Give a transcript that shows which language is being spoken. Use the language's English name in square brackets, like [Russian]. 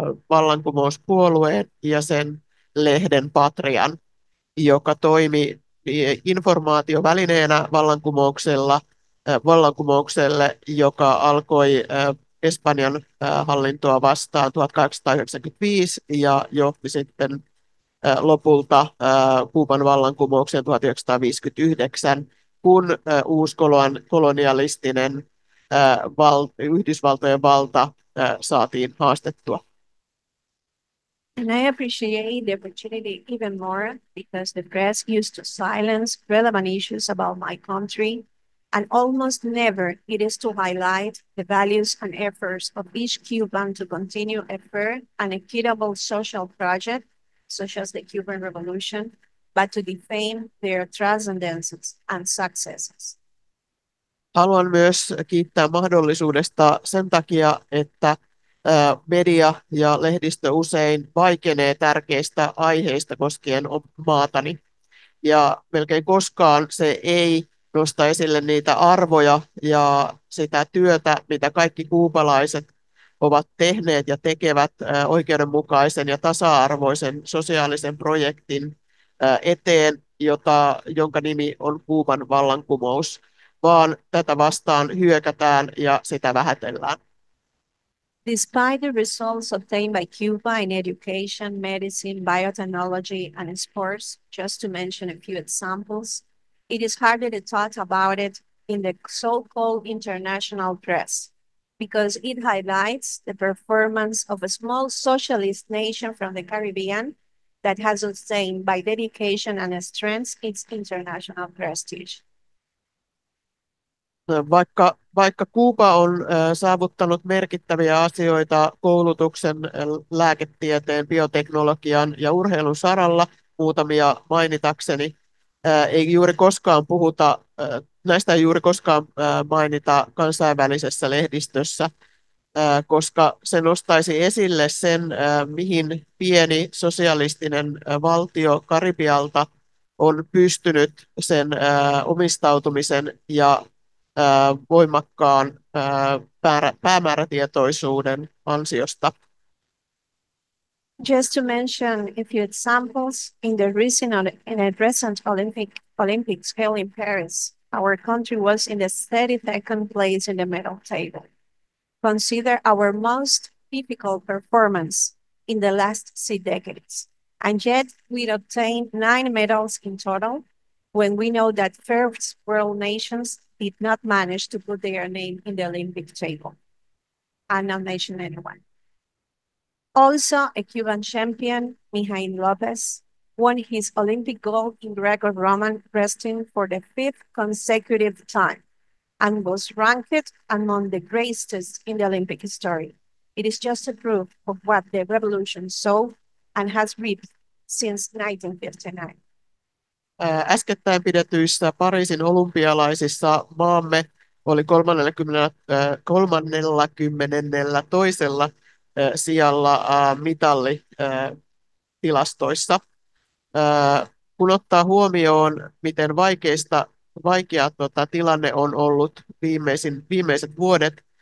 [Finnish] vallankumouspuolueen ja sen lehden Patrian, joka toimi informaatiovälineenä vallankumoukselle, joka alkoi Espanjan hallintoa vastaan 1895 ja johti sitten lopulta Kuuban vallankumouksen 1959, kun uuskoloan kolonialistinen Yhdysvaltojen valta saatiin haastettua. [English] And I appreciate the opportunity even more because the press used to silence relevant issues about my country, and almost never it is to highlight the values and efforts of each Cuban to continue a fair and equitable social project, such as the Cuban Revolution, but to defame their transcendences and successes. [Finnish] Haluan myös kiittää mahdollisuudesta sen takia, että media ja lehdistö usein vaikenee tärkeistä aiheista koskien maatani. Ja melkein koskaan se ei nosta esille niitä arvoja ja sitä työtä, mitä kaikki kuubalaiset ovat tehneet ja tekevät oikeudenmukaisen ja tasa-arvoisen sosiaalisen projektin eteen, jonka nimi on Kuuban vallankumous, vaan tätä vastaan hyökätään ja sitä vähätellään. [English] Despite the results obtained by Cuba in education, medicine, biotechnology, and sports, just to mention a few examples, it is hardly thought about it in the so-called international press, because it highlights the performance of a small socialist nation from the Caribbean that has obtained by dedication and strength its international prestige. [Finnish] Vaikka Kuuba on saavuttanut merkittäviä asioita koulutuksen, lääketieteen, bioteknologian ja urheilun saralla, muutamia mainitakseni, ei juuri koskaan puhuta, näistä ei juuri koskaan mainita kansainvälisessä lehdistössä, koska se nostaisi esille sen, mihin pieni sosialistinen valtio Karibialta on pystynyt sen omistautumisen ja voimakkaan päämäärätietoisuuden ansiosta. [English] Just to mention a few examples, in the recent Olympics held in Paris, our country was in the 32nd place in the medal table. Consider our most difficult performance in the last 6 decades, and yet we obtained 9 medals in total, when we know that first world nations did not manage to put their name in the Olympic table and not mention anyone. Also, a Cuban champion, Mijail Lopez, won his Olympic gold in Greco-Roman wrestling for the 5th consecutive time and was ranked among the greatest in the Olympic history. It is just a proof of what the revolution sowed and has reaped since 1959. [Finnish] Äskettäin pidetyissä Pariisin olympialaisissa maamme oli 32. sijalla mitallitilastoissa. Kun ottaa huomioon, miten vaikea tilanne on ollut viimeiset vuodet,